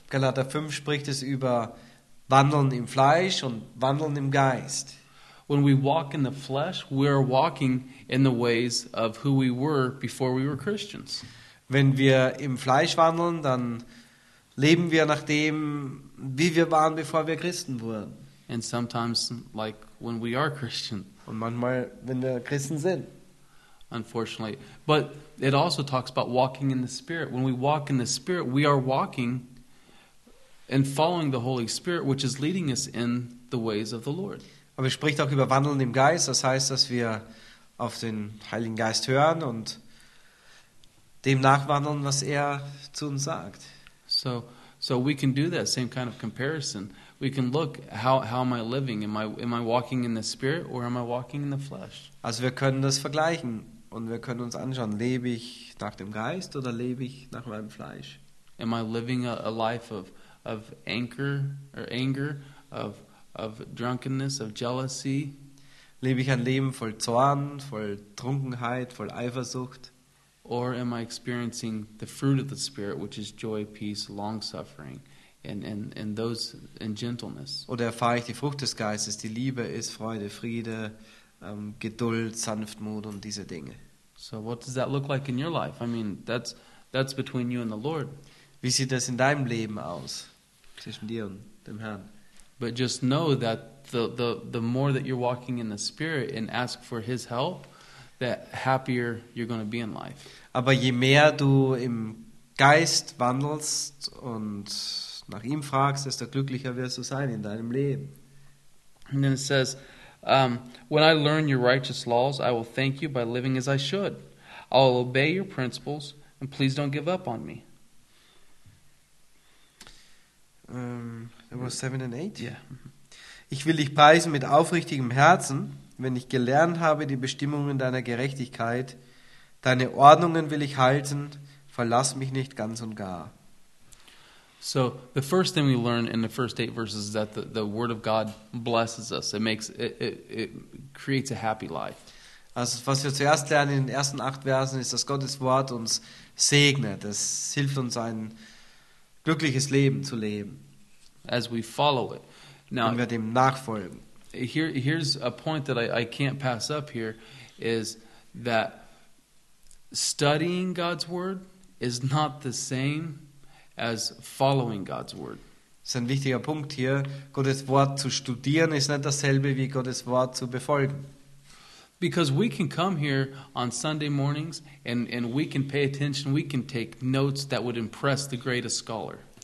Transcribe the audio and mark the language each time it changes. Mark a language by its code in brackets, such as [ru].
[de] Galater 5 spricht es über Wandeln im Fleisch und Wandeln im Geist. [en] When we walk in the flesh, we are walking in the ways of who we were before we were Christians. [de] Wenn wir im Fleisch wandeln, dann leben wir nach dem, wie wir waren, bevor wir Christen wurden. [en] And sometimes, like when we are Christian. [de] Und manchmal, wenn wir Christen sind. [en] Unfortunately. But it also talks about walking in the Spirit. When we walk in the Spirit, we are walking and following the Holy Spirit, which is leading us in the ways of the Lord. [de] Aber es spricht auch über Wandeln im Geist. Das heißt, dass wir auf den Heiligen Geist hören und dem nachwandeln, was er zu uns sagt. [en] So we can do that same kind of comparison. We can look how am I living? Am I walking in the Spirit or am I walking in the flesh? [de] Also wir können das vergleichen und wir können uns anschauen: Lebe ich nach dem Geist oder lebe ich nach meinem Fleisch? [en] Am I living a life of anger, of drunkenness, of jealousy? [de] Lebe ich ein Leben voll Zorn, voll Trunkenheit, voll Eifersucht? [en] Or am I experiencing the fruit of the Spirit, which is joy, peace, long suffering, and those in gentleness? [de] Oder erfahre ich die Frucht des Geistes, die Liebe ist, Freude, Friede, Geduld, Sanftmut und diese Dinge? [en] So what does that look like in your life? I mean, that's between you and the Lord. [de] Wie sieht das in deinem Leben aus? Zwischen dir und dem Herrn. [en] But just know that the more that you're walking in the Spirit and ask for his help, the happier you're going to be in life. [de] Aber je mehr du im Geist wandelst und nach ihm fragst, desto glücklicher wirst du sein in deinem Leben. [en] And then it says, when I learn your righteous laws, I will thank you by living as I should. I'll obey your principles, and please don't give up on me. It was 7 and 8? Yeah. [de] Ich will dich preisen mit aufrichtigem Herzen, wenn ich gelernt habe, die Bestimmungen deiner Gerechtigkeit. Deine Ordnungen will ich halten, verlass mich nicht ganz und gar. [en] So the first thing we learn in the first 8 verses is that the word of God blesses us. It makes it creates a happy life. [de] Also was wir zuerst lernen in den ersten 8 Versen ist, dass Gottes Wort uns segnet. Es hilft uns ein glückliches Leben zu leben. [en] As we follow it. [de] Now, wenn wir dem nachfolgen. [en] Here's a point that I can't pass up here is that studying God's word is not the same as following God's word. [de] Das ist ein wichtiger Punkt hier. Gottes Wort zu studieren ist nicht dasselbe wie Gottes Wort zu befolgen. [en] Because we can come here on Sunday mornings and we can pay attention, we can take notes that would impress the greatest scholar.